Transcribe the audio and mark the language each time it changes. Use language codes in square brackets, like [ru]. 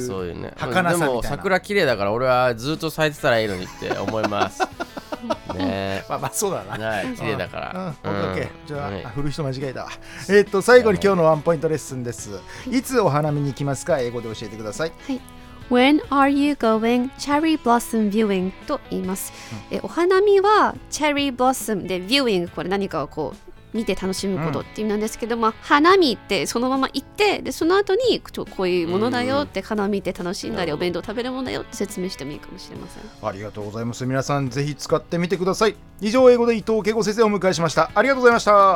[ja] そういうね、儚さみたいな。でも桜綺麗だから、俺はずっと咲いてたらいいのにって思います。ね、まあそうだな。はい、綺麗だから。 OK、じゃあ振る人間違えたわ。最後に今日のワンポイントレッスンです。いつお花見に行きますか、英語で教えてください。はい。 [en] When are you going cherry blossom viewing? [ja] と言います。お花見はチェリーブロッサムで、viewing、これ何かをこう見て楽しむことっていうなんですけど、花見ってそのまま行って、でその後にこういうものだよって、花見て楽しんだり、お弁当食べるものだよって説明してもいいかもしれません。ありがとうございます。皆さんぜひ使ってみてください。以上、英語で伊藤慶吾先生をお迎えしました。ありがとうございました。